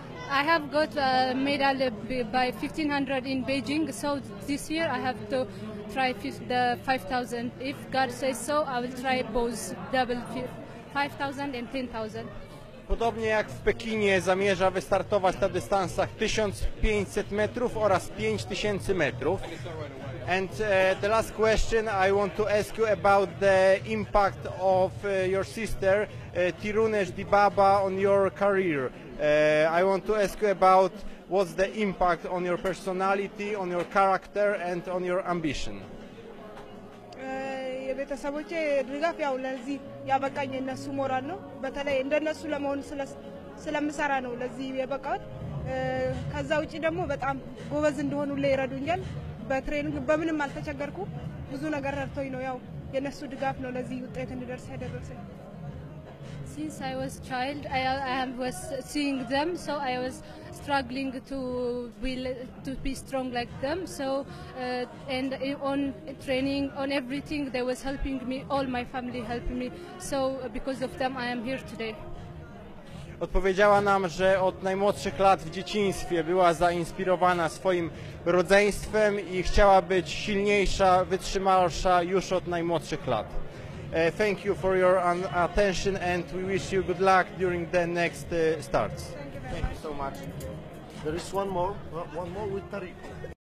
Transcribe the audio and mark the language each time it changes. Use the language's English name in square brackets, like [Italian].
[English] I have got a medal by 1500 in Beijing, so this year I have to try the 5000. If God says so, I will try both double 5000 and 10,000. [Polish] Podobnie jak w Pekinie zamierza wystartować na dystansach 1500 metrów oraz 5000 metrów. [English] And the last question I want to ask you about the impact of your sister Tirunesh Dibaba on your career. I want to ask you about what's the impact on your personality, on your character and on your ambition. [Amharic] የቤተሰቦቼ ድጋፍ ያው ለዚህ ያበቃኝ እነሱ ሞራል ነው። በተለይ እንደነሱ ለመሆን ስለምሰራ ነው ለዚህ የበቃሁት። ከዛ ውጪ ደግሞ በጣም ጎበዝ እንደሆኑ ይረዱኛል። በትሬኒንግ በምንም አልተቸገርኩ። ብዙ ነገር ረድቶኝ ነው ያው የነሱ ድጋፍ ነው ለዚህ ውጤት እንድደርስ ያደረሰኝ። [English] Since I was a child, I was seeing them, so I was struggling to be strong like them. So, and on training, on everything, they was helping me. All my family helped me. So, because of them, I am here today. [Polish] Odpowiedziała nam, że od najmłodszych lat w dzieciństwie była zainspirowana swoim rodzeństwem i chciała być silniejsza, wytrzymalsza już od najmłodszych lat. [English] Thank you for your attention and we wish you good luck during the next starts. Thank you so much. There is one more with Tariq.